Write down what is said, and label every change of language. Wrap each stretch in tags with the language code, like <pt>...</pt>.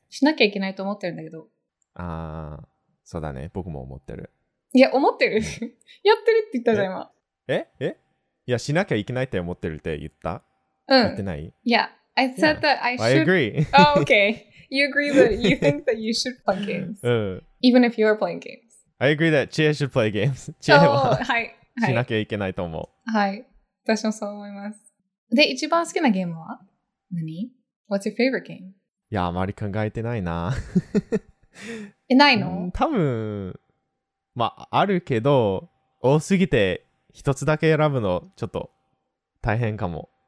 <ja>しなきゃいけないと思ってるんだけど。あー、 そうだね。僕も思ってる。いや、思ってる。やってるって言ったじゃん、今。え? いや、しなきゃいけないって思ってるって言った? うん。言ってない?</ja> <en>Yeah, I said that I should... I agree. Oh, okay. You agree that you think that you should play games.</en> <ja>うん。</ja> <en>Even if you are playing games. I agree that Chie should play games.</en> <ja>Chie は、はい、しなきゃいけないと思う。はい。私もそう思います。で、一番好きなゲームは?</ja> <en>何?What's your favorite game?</en> <ja>いや、あまり考えてないな。え、ないの? 多分、まあ、あるけど、多すぎて、一つだけ選ぶのちょっと大変かも。</ja>